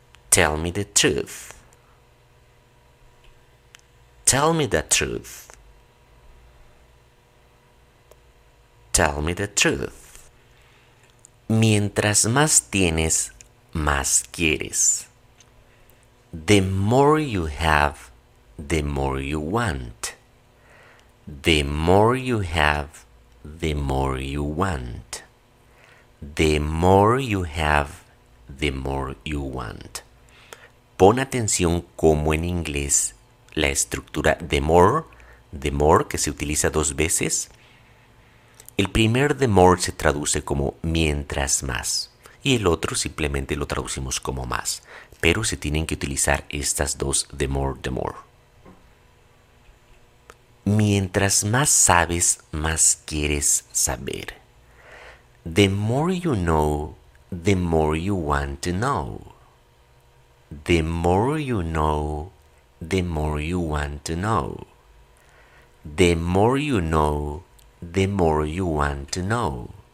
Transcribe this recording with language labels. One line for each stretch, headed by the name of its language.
English: Tell me the truth. Tell me the truth. Tell me the truth.
Spanish: Mientras más tienes, más quieres.
English: The more you have, the more you want. The more you have, the more you want. The more you have, the more you want.
Spanish: Pon atención como en inglés la estructura
English: the more
Spanish: que se utiliza dos veces. El primer
English: the more
Spanish: se traduce como mientras más y el otro simplemente lo traducimos como más. Pero se tienen que utilizar estas dos
English: the more
Spanish: Mientras más sabes, más quieres saber.
English: The more you know, the more you want to know. The more you know, the more you want to know. The more you know, the more you want to know.